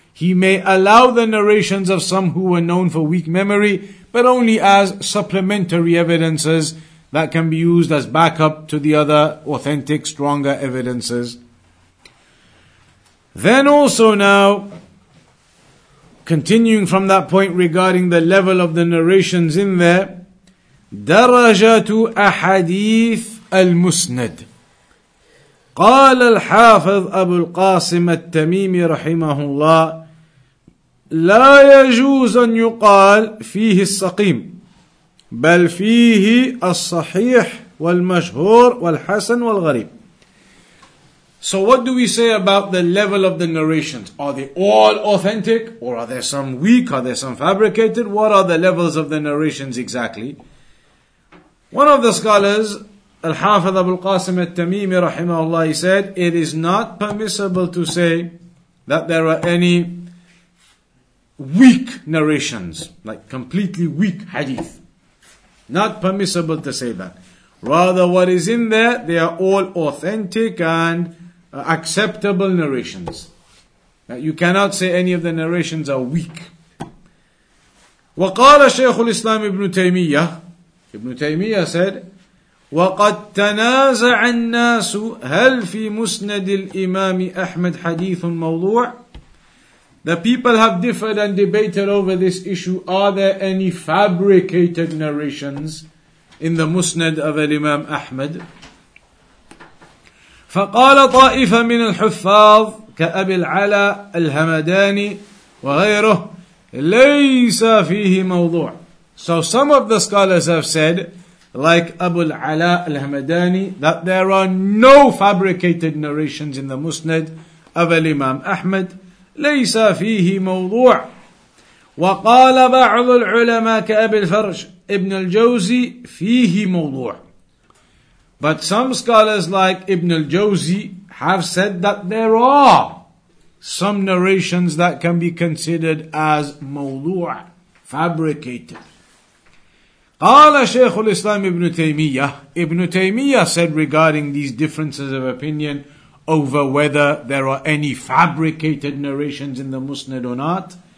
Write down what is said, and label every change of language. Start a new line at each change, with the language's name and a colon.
English: He may allow the narrations of some who were known for weak memory, but only as supplementary evidences that can be used as backup to the other authentic, stronger evidences. Then also now, continuing from that point regarding the level of the narrations in there,
Arabic: darajatu ahadith al-musnad. قال الحافظ أبو القاسم التميمي رحمه الله لا يجوز أن يقال فيه السقيم بل فيه الصحيح والمشهور والحسن والغريب.
English: So what do we say about the level of the narrations? Are they all authentic? Or are there some weak? Are there some fabricated? What are the levels of the narrations exactly? One of the scholars, Al-Hafidh Abu al-Qasim al-Tamimi rahimahullah, he said, it is not permissible to say that there are any weak narrations, like completely weak hadith. Not permissible to say that. Rather, what is in there, they are all authentic and acceptable narrations. You cannot say any of the narrations are weak.
Arabic: وقال شيخ الإسلام ابن تيمية, ابن تيمية
English: said,
Arabic: وقد تنازع الناس هل في مسند الإمام أحمد حديث موضوع.
English: The people have differed and debated over this issue. Are there any fabricated narrations in the Musnad of Imam Ahmad?
Arabic: فقال طائفة من الحفاظ كأبي العلاء الهمداني وغيره ليس فيه موضوع.
English: So some of the scholars have said, like Abu al-Ala al-Hamadani, that there are no fabricated narrations in the Musnad of Imam Ahmad.
Arabic: ليس فيه موضوع. وقال بعض العلماء كأبي الفرج ابن الجوزي فيه موضوع.
English: But some scholars like Ibn al-Jawzi have said that there are some narrations that can be considered as mawdu', fabricated.
Arabic: Qala
English: Shaykh al-Islam Ibn Taymiyyah. Ibn Taymiyyah said regarding these differences of opinion over whether there are any fabricated narrations in the Musnad or not.